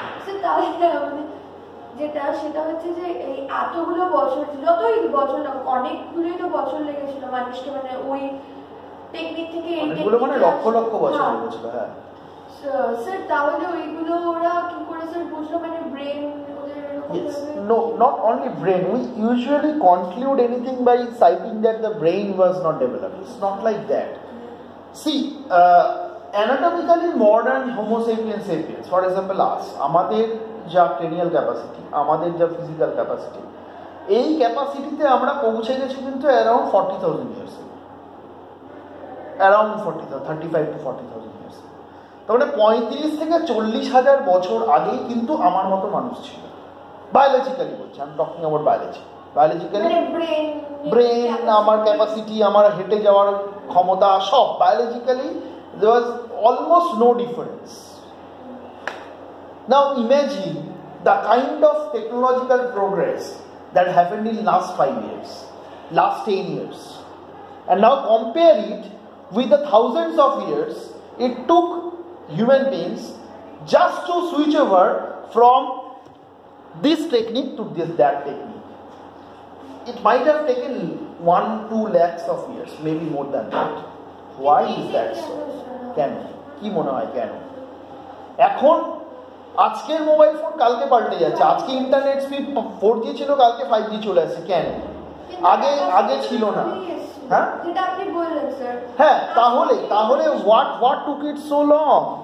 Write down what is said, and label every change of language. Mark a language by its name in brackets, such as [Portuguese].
[Bangla] Sir তাহলে যেটা সেটা হচ্ছে যে এই এতগুলো বছর, যতই বছর না অনেকগুলোই তো বছর লেগেছিল মানুষকে মানে ওই টেকনিক থেকে, এইগুলো মানে লক্ষ লক্ষ বছর লেগেছিল। হ্যাঁ স্যার, তাহলে ওইগুলো ওরা কি করে স্যার বুঝলো মানে brain? [English] Yes, no, not only brain. We usually conclude anything by citing that the brain was not developed. It's not like that. See, anatomically modern Homo sapiens sapiens, for example us, [Bangla] আমাদের যা cranial capacity, আমাদের যা physical capacity, এই ক্যাপাসিটিতে আমরা পৌঁছে গেছি কিন্তু around 40,000 years, around 35,000 to 40,000 years, তার মানে 35,000 থেকে 40,000 বছর আগেই কিন্তু আমার মতো মানুষ ছিল। [English] biologically [Bangla] বলছি, আমি [English] talking about biology, biologically brain, আমার capacity, [Bangla] আমার হেঁটে যাওয়ার ক্ষমতা, সব [English] Biologically there was almost no difference. Now imagine the kind of technological progress that happened in last 5 years, last 10 years, and now compare it with the thousands of years it took human beings just to switch over from this technique to this that technique. It might have taken 1-2 lakhs of years, maybe more than that. Why is that so? [Bangla] কেন কি মনে হয় কেন? এখন আজকের mobile phone কালকে পাল্টে যাচ্ছে, আজকে ইন্টারনেট স্পিড 4G ছিল কালকে 5G চলে আসছে, কেন? আগে আগে ছিল না। হ্যাঁ যেটা আপনি বললেন স্যার, হ্যাঁ তাহলে তাহলে [English] what took it so long?